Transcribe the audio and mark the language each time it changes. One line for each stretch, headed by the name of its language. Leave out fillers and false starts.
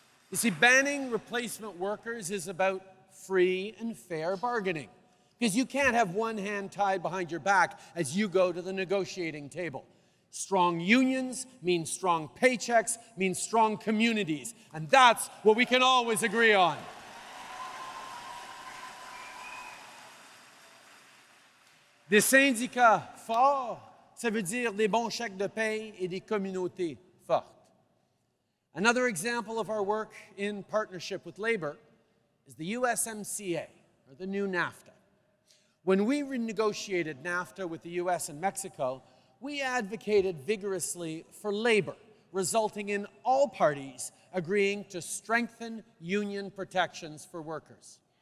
English: You see, banning replacement workers is about free and fair bargaining, because you can't have one hand tied behind your back as you go to the negotiating table. Strong unions mean strong paychecks, mean strong communities, and that's what we can always agree on.
French: Des syndicats forts, ça veut dire des bons chèques de paie et des communautés fortes.
English: Another example of our work in partnership with labor is the USMCA, or the new NAFTA. When we renegotiated NAFTA with the US and Mexico, we advocated vigorously for labor, resulting in all parties agreeing to strengthen union protections for workers.